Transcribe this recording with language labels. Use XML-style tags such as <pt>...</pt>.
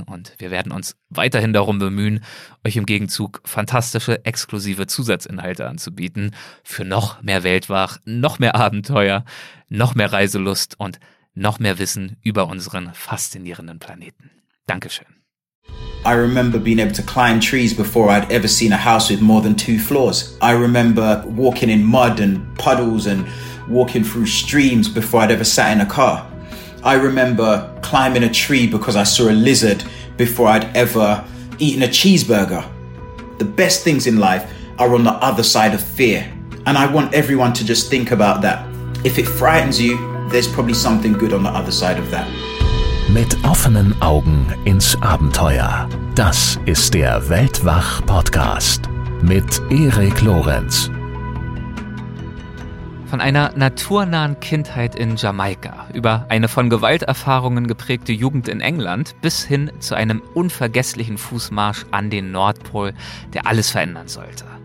<de>Und wir werden uns weiterhin darum bemühen, euch im Gegenzug fantastische, exklusive Zusatzinhalte anzubieten. Für noch mehr Weltwach, noch mehr Abenteuer, noch mehr Reiselust und noch mehr Wissen über unseren faszinierenden Planeten. Dankeschön.</de> <en>I remember being able to climb trees before I'd ever seen a house with more than 2 floors. I remember walking in mud and puddles and walking through streams before I'd ever sat in a car. I remember climbing a tree because I saw a lizard before I'd ever eaten a cheeseburger. The best things in life are on the other side of fear. And I want everyone to just think about that. If it frightens you, there's probably something good on the other side of that.</en> <de>Mit offenen Augen ins Abenteuer. Das ist der Weltwach-Podcast mit Erik Lorenz. Von einer naturnahen Kindheit in Jamaika über eine von Gewalterfahrungen geprägte Jugend in England bis hin zu einem unvergesslichen Fußmarsch an den Nordpol, der alles verändern sollte.</de>